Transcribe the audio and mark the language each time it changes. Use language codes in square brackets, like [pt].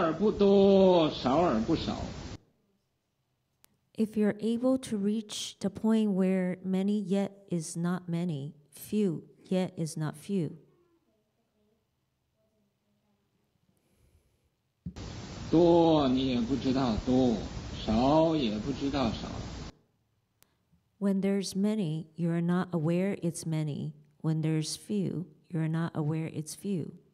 [zh] 你要能到这种多而不多少而不少 [en] If you're able to reach the point where many yet is not many, few yet is not few. [zh] 多你也不知道多少也不知道少 [en] When there's many, you're not aware it's many. When there's few, you're not aware it's few.